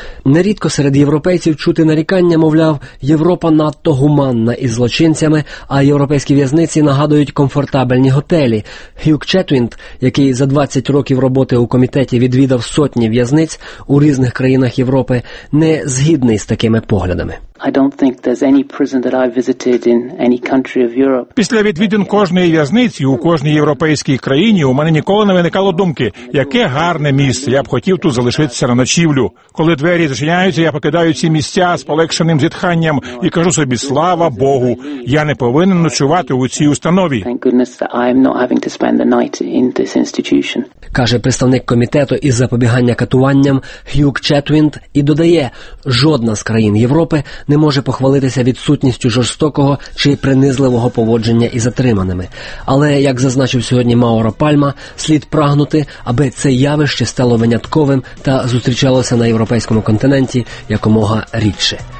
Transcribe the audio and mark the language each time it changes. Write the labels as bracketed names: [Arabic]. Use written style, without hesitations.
[Ukrainian] Нерідко серед європейців чути нарікання, мовляв, Європа надто гуманна із злочинцями, а європейські в'язниці нагадують комфортабельні готелі. Хьюг Четвінд, який за 20 років роботи у комітеті відвідав сотні в'язниць у різних країнах Європи, не згідний з такими поглядами. [English] I don't think there's any prison that I visited in any country of Europe. [Ukrainian] Після відвідин кожної в'язниці у кожній європейській країні у мене ніколи не виникало думки, яке гарне місце, я б хотів тут залишитися на ночівлю. Коли двері зачиняються, я покидаю ці місця з полегшеним зітханням і кажу собі: "Слава Богу, я не повинен ночувати у цій установі". [English] Thank goodness that I'm not having to spend the night in this institution. [Ukrainian] Каже представник комітету із запобігання катуванням Хьюг Четвінд і додає: "Жодна з країн Європи не може похвалитися відсутністю жорстокого чи принизливого поводження із затриманими. Але, як зазначив сьогодні Мауро Пальма, слід прагнути, аби це явище стало винятковим та зустрічалося на європейському континенті якомога рідше".